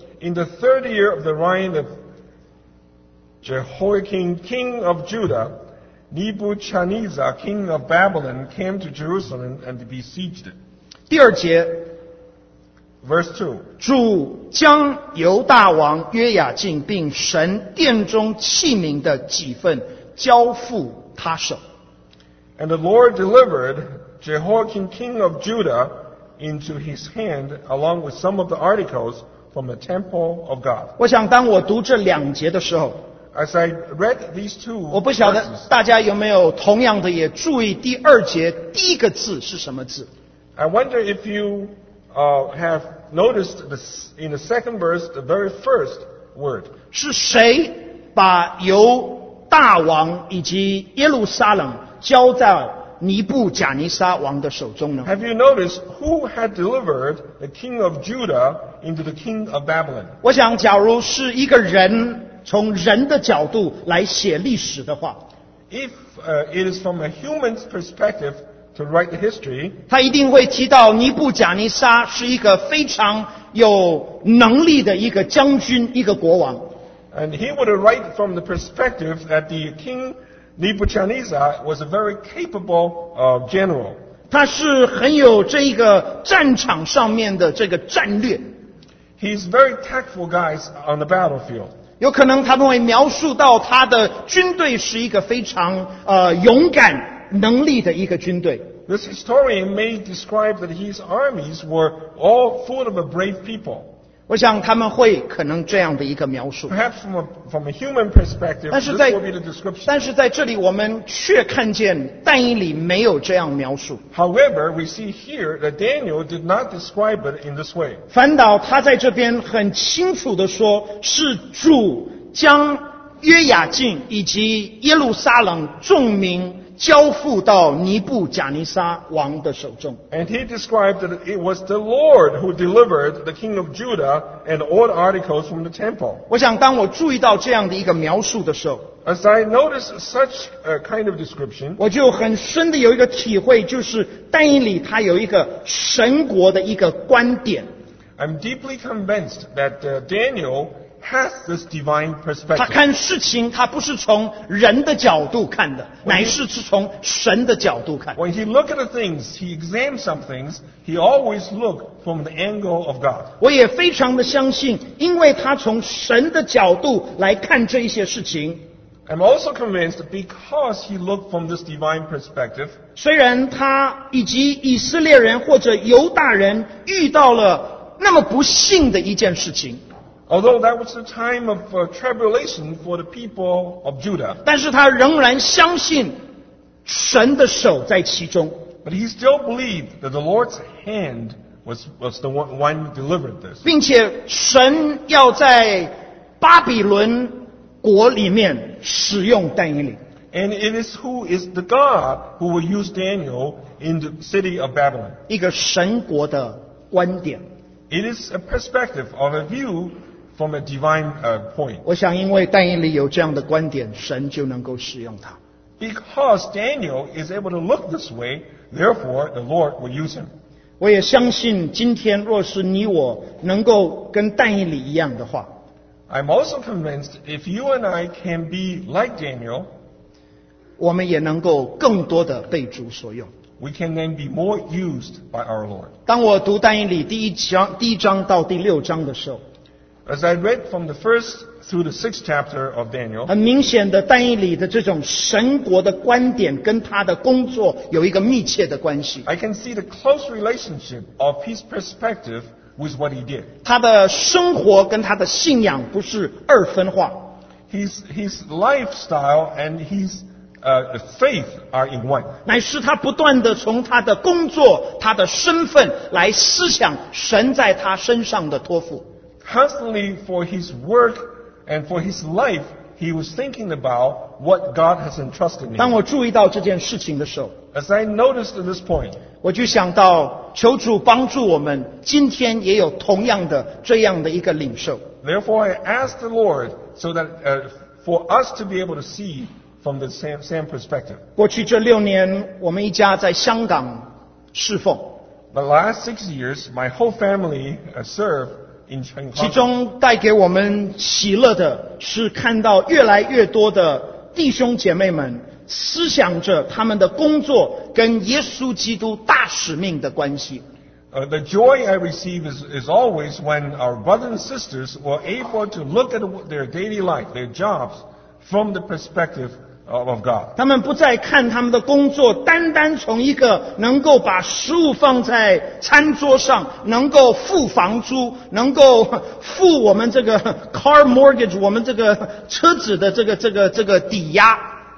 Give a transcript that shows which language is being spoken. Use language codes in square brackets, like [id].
[en] In the third year of the reign of Jehoiakim, king of Judah, Nebuchadnezzar, king of Babylon, came to Jerusalem and besieged it. [zh] 第二节 [en] ，verse two， [zh] 主将犹大王约雅敬并神殿中器皿的几份交付他手。 [en] And the Lord delivered Jehoiakim, king of Judah, into his hand, along with some of the articles. From the temple of God. [zh] 我想当我读这两节的时候， [en] As I read these two verses, [zh] 我不晓得大家有没有同样的也注意第二节第一个字是什么字。 [en] I wonder if you have noticed this in the second verse, the very first word. [zh] 是谁把犹大王以及耶路撒冷交在尼布甲尼撒王的手中呢？ [en] Have you noticed who had delivered the king of Judah into the king of Babylon? [zh] 我想假如是一个人从人的角度来写历史的话， [en] If it is from a human's perspective to write the history, [zh] 他一定会提到尼布甲尼撒是一个非常有能力的一个将军，一个国王。 [en] And he would write from the perspective that the kingNebuchadnezzar was a very capable general. [zh] 他是很有这个战场上面的这个战略。 [en] He's very tactful guys on the battlefield. [zh] 有可能他们会描述到他的军队是一个非常勇敢能力的一个军队。 [en] This historian may describe that his armies were all full of a brave people. [zh] 我想他们会可能这样的一个描述。 [en] Perhaps from a human perspective, this will be the description. [zh] 但是在这里我们却看见但以理没有这样描述。 [en] However, we see here that Daniel did not describe it in this way. [zh] 反倒他在这边很清楚地说，是主将约雅敬以及耶路撒冷众民交付到尼布贾尼撒王的手中。 [en] And he described that it was the Lord who delivered the king of Judah and all the articles from the temple. [zh] 我想当我注意到这样的一个描述的时候， [en] As I noticed such a kind of description, [zh] 我就很深的有一个体会，就是但以理他有一个神国的一个观点。 [en] I'm deeply convinced that Daniel has this divine perspective. [zh] 他看事情他不是从人的角度看的，乃是从神的角度看。 [en] When he looks at the things, he examines some things, he always looks from the angle of God. [zh] 我也非常的相信，因为他从神的角度来看这些事情。 [en] I'm also convinced because he looked from this divine perspective. [zh] 虽然他以及以色列人或者犹大人遇到了那么不幸的一件事情。 [en] Although that was a time of tribulation for the people of Judah. [zh] 但是他仍然相信神的手在其中。 [en] But he still believed that the Lord's hand was the one who delivered this. [zh] 并且神要在巴比伦国里面使用但以理。 [en] And it is who is the God who will use Daniel in the city of Babylon. [zh] 一个神国的观点。 [en] It is a perspective of a view from a divine point. [zh] 我想因为但以理有这样的观点，神就能够使用他。 [en] Because Daniel is able to look this way, therefore the Lord will use him. [zh] 我也相信今天若是你我能够跟但以理一样的话， [en] I'm also convinced if you and I can be like Daniel, [zh] 我们也能够更多的被主所用。 [en] We can then be more used by our Lord. [zh] 当我读但以理第一章到第六章的时候， [en] As I read from the first through the sixth chapter of Daniel, [zh] 很明显的，但以理的这种神国的观点跟他的工作有一个密切的关系。 [en] I can see the close relationship of his perspective with what he did. [zh] 他的生活跟他的信仰不是二分化。 [en] His lifestyle and his faith are in one. [zh] 乃是他不断地从他的工作、他的身份来思想神在他身上的托付。 [en] Constantly for his work and for his life, he was thinking about what God has entrusted him. [zh] 当我注意到这件事情的时候， [en] As I noticed at this point, [zh] 我就想到求主帮助我们今天也有同样的这样的一个领受。 [en] Therefore, I asked the Lord so that for us to be able to see from the same perspective. [zh] 过去这六年，我们一家在香港侍奉。 [en] The last 6 years, my whole family served. [zh] 其中带给我们喜乐的是看到越来越多的弟兄姐妹们思想着他们的工作跟耶稣基督大使命的关系。 [en] The joy I receive is always when our brothers and sisters were able to look at their daily life, their jobs, from the perspective of God. [zh] 他们不再看他们的工作单单从一个能够把食物放在餐桌上，能够付房租，能够付我们这个 [en] car mortgage, [zh] 我们这个车子的这个抵押。